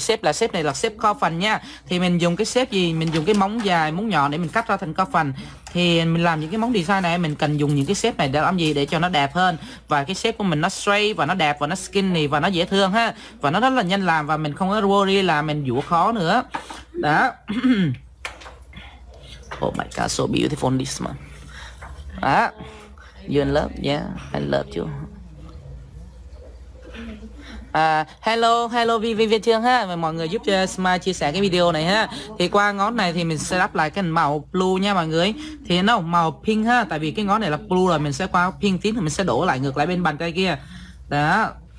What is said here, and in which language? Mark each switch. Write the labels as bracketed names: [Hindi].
[Vietnamese] Shape là shape này là shape co phần nha. Thì mình dùng cái shape gì? Mình dùng cái móng dài, móng nhỏ để mình cắt ra thành co phần. Thì mình làm những cái móng design này mình cần dùng những cái shape này để làm gì? Để cho nó đẹp hơn. Và cái shape của mình nó straight và nó đẹp và nó skinny và nó dễ thương ha. Và nó rất là nhanh làm và mình không có worry là mình vuốt khó nữa. Đó. [English] Oh my God, so beautiful this one. [Vietnamese] Đó. [English] You in love? Yeah, I love you. [Vietnamese] Hello Viên Trương ha. Mọi người giúp cho Smile chia sẻ cái video này ha. Thì qua ngón này thì mình sẽ đắp lại cái màu blue nha mọi người. Thì nó màu pink ha. Tại vì cái ngón này là blue rồi, mình sẽ qua pink tím thì mình sẽ đổ lại ngược lại bên bàn tay kia. Đó.